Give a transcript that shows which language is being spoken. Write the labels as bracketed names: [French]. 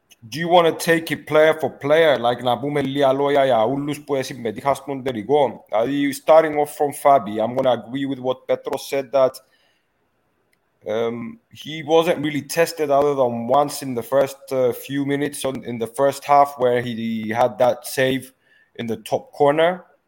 [English] Do you want to take it player for player? [Greek] Like, να πούμε λίγα λόγια για όλους που συμμετείχαν στον τελικό. [English] Are you starting off from Fabi? I'm going to agree with what Petros said, that he wasn't really tested other than once in the first few minutes in the first half where he had that save in the top corner.